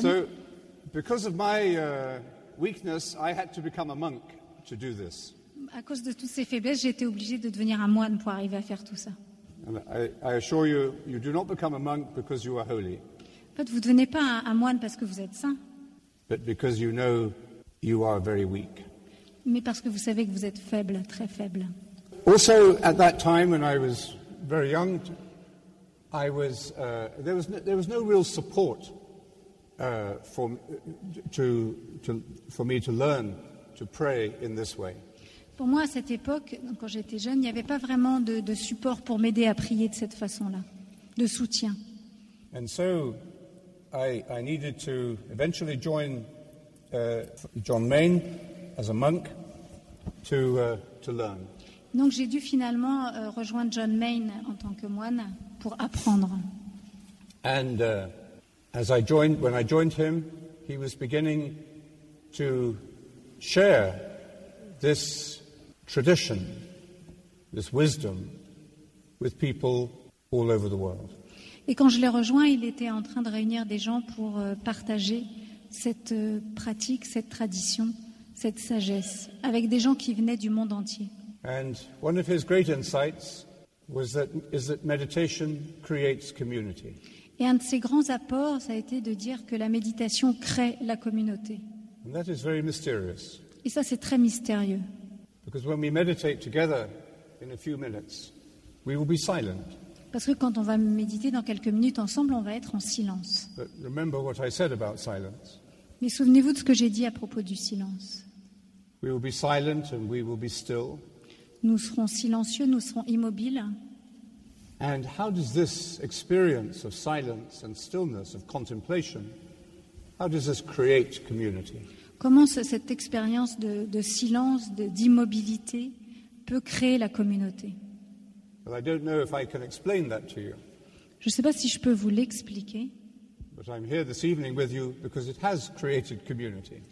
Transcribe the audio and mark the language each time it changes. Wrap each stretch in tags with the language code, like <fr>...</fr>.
<en>So, because of my weakness, I had to become a monk to do this.</en> <fr>À cause de toutes ces faiblesses, j'ai été obligé de devenir un moine pour arriver à faire tout ça.</fr> <en>And I assure you, you do not become a monk because you are holy.</en> <fr>En fait, vous ne devenez pas un moine parce que vous êtes saint.</fr> <en>But because you know you are very weak.</en> <fr>Mais parce que vous savez que vous êtes faible, très faible.</fr> <en>Also, at that time when I was very young, I was there was no real support for me to learn to pray in this way.</en> <fr>Pour moi, à cette époque, quand j'étais jeune, il n'y avait pas vraiment de support pour m'aider à prier de cette façon-là, de soutien.</fr> <en>And so, I needed to eventually join John Main as a monk to learn.</en> <fr>Donc j'ai dû finalement rejoindre John Main en tant que moine pour apprendre.</fr> <en>And when I joined him, he was beginning to share this tradition, this wisdom with people all over the world.</en> <fr>Et quand je l'ai rejoint, il était en train de réunir des gens pour partager cette pratique, cette tradition, cette sagesse avec des gens qui venaient du monde entier.</fr> <en>And one of his great insights was that meditation creates community.</en> <fr>Et un de ses grands apports, ça a été de dire que la méditation crée la communauté.</fr> <en>And that is very mysterious.</en> <fr>Et ça, c'est très mystérieux.</fr> <en>Because when we meditate together in a few minutes, we will be silent.</en> <fr>Parce que quand on va méditer dans quelques minutes ensemble, on va être en silence.</fr> <en>But remember what I said about silence.</en> <fr>Mais souvenez-vous de ce que j'ai dit à propos du silence.</fr> <en>We will be silent and we will be still.</en> <fr>Nous serons silencieux, nous serons immobiles.</fr> <en>And how does this experience of silence and stillness, of contemplation, how does this create community?</en> <fr>Comment cette expérience de silence, d'immobilité peut créer la communauté?</fr> <en>Well, I don't know if I can explain that to you.</en> <fr>Je ne sais pas si je peux vous l'expliquer.</fr> <en>But I'm here this evening with you because it has created community.</en>